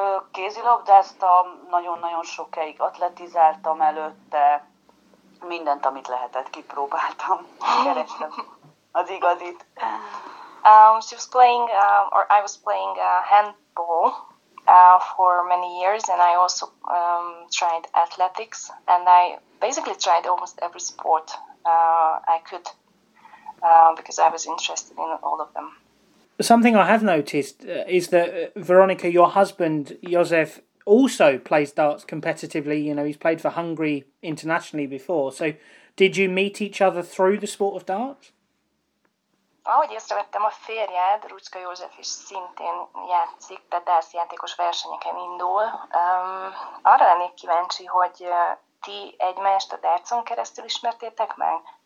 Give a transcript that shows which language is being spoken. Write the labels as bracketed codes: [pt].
[hu] Kézilabdáztam, nagyon-nagyon sokáig atletizáltam előtte. Mindent, amit lehetett, kipróbáltam. Kerestem. Az igazit. [en] She was playing, or I was playing handball for many years, and I also tried athletics, and I basically tried almost every sport I could, because I was interested in all of them. Something I have noticed is that Veronica, your husband, Josef, also plays darts competitively. You know, he's played for Hungary internationally before. So did you meet each other through the sport of darts? [hu] Ahogy észrevettem, a férjed, Rucka József is szintén játszik, de DARTS játékos versenyeken indul. Arra lennék kíváncsi, hogy ti egymást a DARTS-on keresztül ismertétek meg?